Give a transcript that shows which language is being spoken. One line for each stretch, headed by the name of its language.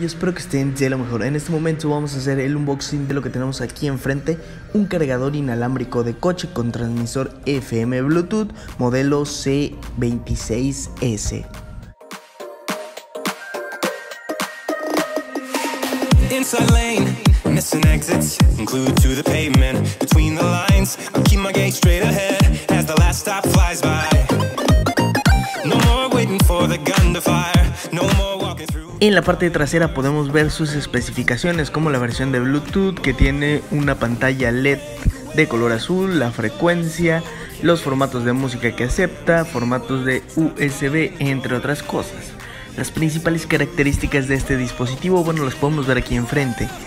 Spanish: Espero que estén de lo mejor. En este momento vamos a hacer el unboxing de lo que tenemos aquí enfrente. Un cargador inalámbrico de coche con transmisor FM Bluetooth modelo C26S.
English: Inside lane, missing exits, glued to the pavement, between the lines. I'll keep my gaze straight ahead as the last stop flies by. No more waiting for the gun to fire, no more.
Spanish: En la parte trasera podemos ver sus especificaciones, como la versión de Bluetooth, que tiene una pantalla LED de color azul, la frecuencia, los formatos de música que acepta, formatos de USB, entre otras cosas. Las principales características de este dispositivo, bueno, las podemos ver aquí enfrente.